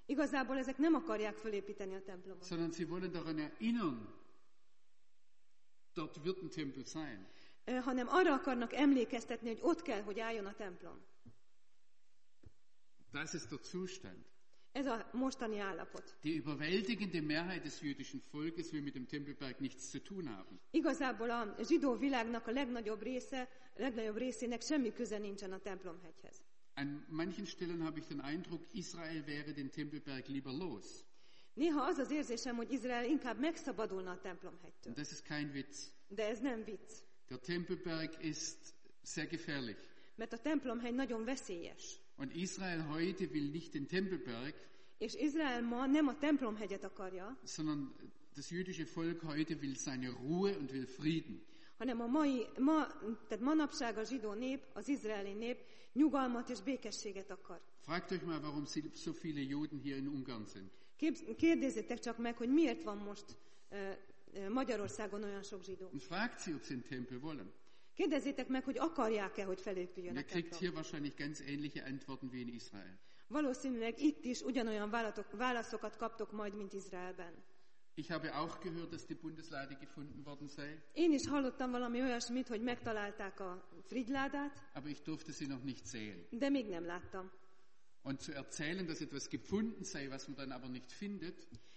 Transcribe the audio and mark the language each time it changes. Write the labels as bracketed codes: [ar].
[hu] Igazából ezek nem akarják fölépíteni a templomot. [de] Sondern sie wollen daran erinnern, dort wird ein Tempel sein. [hu] Hanem arra akarnak emlékeztetni, hogy ott kell, hogy álljon a templom. [de] Das ist der Zustand. [hu] Ez a mostani állapot. [de] Die überwältigende Mehrheit des jüdischen Volkes will mit dem Tempelberg nichts zu tun haben. [hu] Igazából a zsidó világnak a legnagyobb részének semmi köze nincsen a templomhegyhez. [de] An manchen Stellen habe ich den Eindruck, Israel wäre den Tempelberg lieber los. [hu] Néha az az érzésem, hogy Izrael inkább megszabadulna a templomhegytől. [de] Das ist kein Witz. [hu] De ez nem vicc. [de] Der Tempelberg ist sehr gefährlich. [hu] Mert a templomhegy nagyon veszélyes. [de] Und Israel heute will nicht den Tempelberg. [hu] És Izrael ma nem a templomhegyet akarja. [de] Sondern das jüdische Volk heute will seine Ruhe und will Frieden. [hu] Hanem a mai, ma, tehát manapság a zsidó nép, az izraeli nép nyugalmat és békességet akar. [de] Fragt euch mal, warum so viele Juden hier in Ungarn sind. [hu] Kérdezzétek csak meg, hogy miért van most Magyarországon olyan sok zsidó. [de] Und fragt sie, ob sie den Tempel wollen. [hu] Kérdezzétek meg, hogy akarják-e, hogy felépüljön a templom. [de] Kriegt hier wahrscheinlich ganz ähnliche Antworten wie in Israel. [hu] Valószínűleg itt is ugyanolyan válaszokat kaptok majd, mint Izraelben. [de] Ich habe auch gehört, dass die Bundeslade gefunden worden sei. [hu] Én is hallottam valami olyasmit, hogy megtalálták a Frigyládát. [de] Aber ich durfte sie noch nicht sehen. [hu] De még nem láttam. [de] Und zu erzählen, dass etwas gefunden sei, was man dann aber nicht findet.